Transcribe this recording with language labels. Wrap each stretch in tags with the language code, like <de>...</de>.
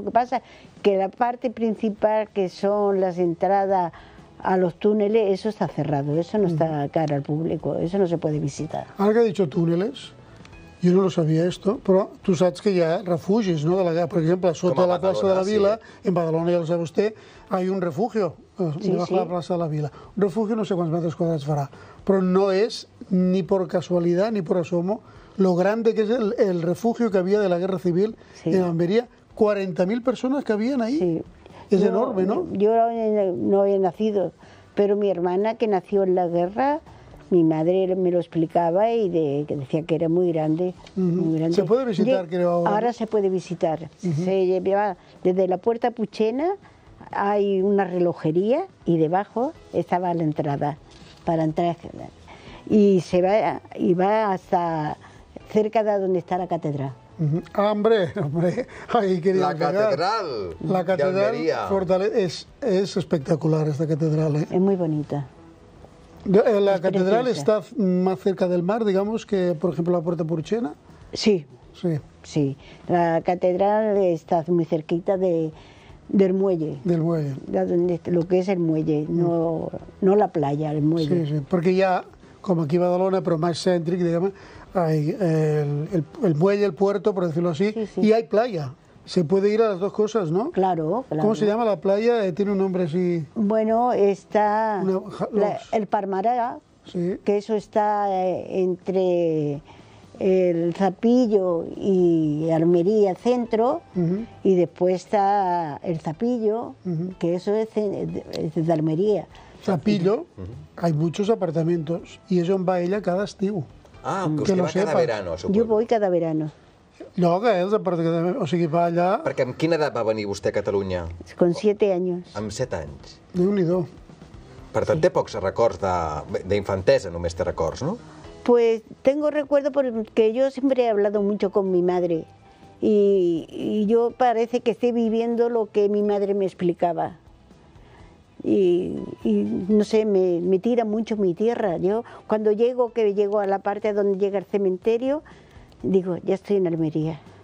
<es>Lo que pasa que la parte principal, que son las entradas a los túneles, eso está cerrado, eso no está cara al público, eso no se puede visitar. Ahora que ha dicho túneles, yo no lo sabía esto, pero tú sabes que ya refugios, ¿no? De la, por ejemplo, sota la plaza de la Vila, en Badalona, ya lo sabe usted, hay un refugio. Debajo de la plaça de la Vila.</es> <ca>Refugio no sé quants metres quadrats farà, però no és ni per casualitat ni per assomo</ca> <es>lo grande</es> <ca>que és el refugio que havia de la Guerra Civil en Almeria. 40.000 persones que havien ahí. És enorme, no? Jo no he nascut, però</ca> <es>mi hermana, que nació en la guerra, mi madre me lo explicava i decía que era muy grande. Se puede visitar, creo. Ahora se puede visitar. Se lleva desde la Puerta Puchena. Hay una relojería y debajo estaba la entrada para entrar. Y se va y va hasta cerca de donde está la catedral. ¡Hombre! ¡Hombre! Ahí quería la catedral. La catedral Fortaleza. Es espectacular esta catedral. Es muy bonita. ¿La catedral está más cerca del mar, digamos, que por ejemplo la Puerta Puchena? Sí. Sí. Sí. La catedral está muy cerquita de... Del muelle. Del muelle. Lo que es el muelle, no la playa, el muelle.</es> <ca>Sí, sí, perquè hi ha, com aquí a Badalona, però més cèntric, diguem-ne, el muelle, el puerto, per dir-ho així, i hi ha playa.</ca> <es>Se puede ir a las dos cosas, ¿no? Claro, claro. ¿Cómo se llama la playa? Tiene un nombre así... Bueno, está el Palmaraga, que eso está entre el Zapillo y Almería centro, y después está el Zapillo, que eso es de Almería. Zapillo, hay muchos apartamentos, y es donde va ella</es> <ca>cada estiu.</ca> <es>Ah, que usted va cada verano, supongo. Yo voy cada verano.</es> <ca>Lloga, els apartaments, o sigui, va allà... Perquè amb quina edat va venir vostè a Catalunya?</ca> <es>Con 7 años.</es> <ca>Amb 7 anys. Déu-n'hi-do. Per tant, té pocs records d'infantesa, només té records, no?</ca> <es>Pues tengo recuerdo porque yo siempre he hablado mucho con mi madre y yo parece que estoy viviendo lo que mi madre me explicaba. Y no sé, me tira mucho mi tierra. Yo cuando llego, que llego a la parte donde llega el cementerio, digo, ya estoy en Almería.</es>